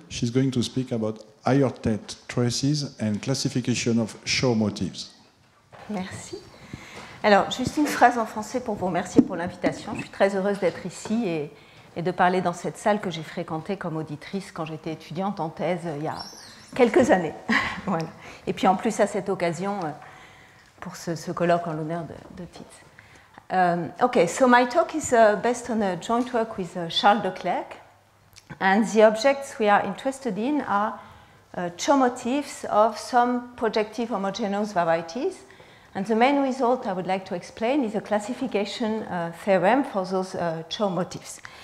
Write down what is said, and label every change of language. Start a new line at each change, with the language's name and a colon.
English: She's going to speak about higher Tate traces and classification of show motifs.
French: Merci. Alors, juste une phrase en français pour vous remercier pour l'invitation. Je suis très heureuse d'être ici et de parler dans cette salle que j'ai fréquentée comme auditrice quand j'étais étudiante en thèse il y a quelques années. Voilà. Et puis en plus à cette occasion pour ce colloque en l'honneur de Tits.
English: Okay, so my talk is based on a joint work with Charles De Clercq, and the objects we are interested in are Chow motifs of some projective homogeneous varieties. And the main result I would like to explain is a classification theorem for those Chow motifs.